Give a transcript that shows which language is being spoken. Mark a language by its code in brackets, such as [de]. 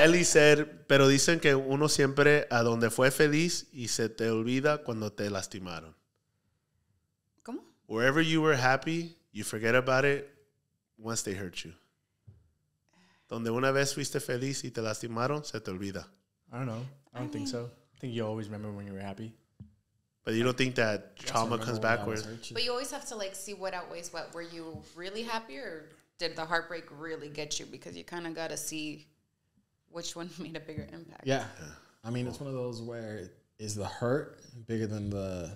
[en] Ellie said, [es] pero dicen que uno siempre a donde fue feliz y se te olvida cuando te lastimaron. ¿Cómo? [en] Wherever you were happy, you forget about it once they hurt you. [es] Donde una vez fuiste feliz y te lastimaron, se te olvida. [en] I don't think so. I think you always remember when you were happy. But you don't think that trauma comes backwards. But you always have to, like, see what outweighs what. Were you really happy, or did the heartbreak really get you? Because you kind of got to see which one made a bigger impact. Yeah. I mean, it's one of those where, is the hurt bigger than the...